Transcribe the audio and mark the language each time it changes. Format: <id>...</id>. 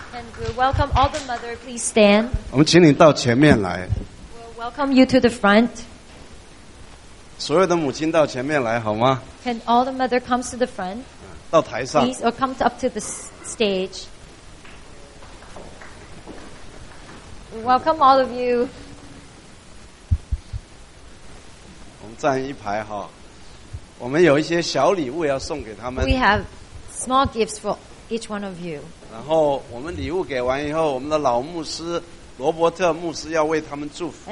<en>And we'll welcome all the mother, please stand.</en> <zh>我们请你到前面来。</zh> <en>We'll welcome you to the front.</en> <zh>所有的母亲到前面来好吗</zh> <en>Can all the mother come to the front?</en> <zh>到台上。</zh> <en>Please, or come up to the stage. We welcome all of you.</en> <zh>我们站一排哈。我们有一些小礼物要送给他们。</zh> <en>We have small gifts for each one of you.</en> <zh>然后我们礼物给完以后，我们的老牧师罗伯特牧师要为他们祝福。</zh>